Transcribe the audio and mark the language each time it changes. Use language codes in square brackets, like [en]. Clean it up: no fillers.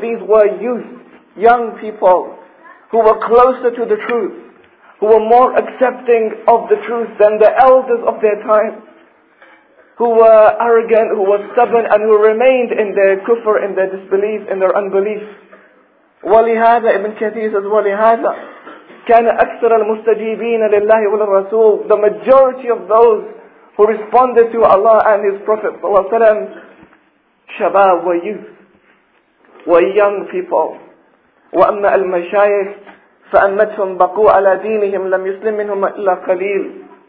[en] These were youth, young people, who were closer to the truth, who were more accepting of the truth than the elders of their time, who were arrogant, who were stubborn, and who remained in their kufr, in their disbelief, in their unbelief. [ar] وَلِهَذَا [en] Ibn Kathir says, [ar] وَلِهَذَا كَانَ أَكْثَرَ الْمُسْتَجِيبِينَ لِلَّهِ وَلِلرَّسُولِ. [en] The majority of those who responded to Allah and His Prophet ﷺ, shabab, were youth, were young people. [ar] وَأَمَّا الْمَشَايِخ فَأَمَّتْهُمْ بَقُوا عَلَى دِينِهِمْ لَمْ يُسْلِمْ مِنْهُمْ إِلَّا قَلِيلٌ.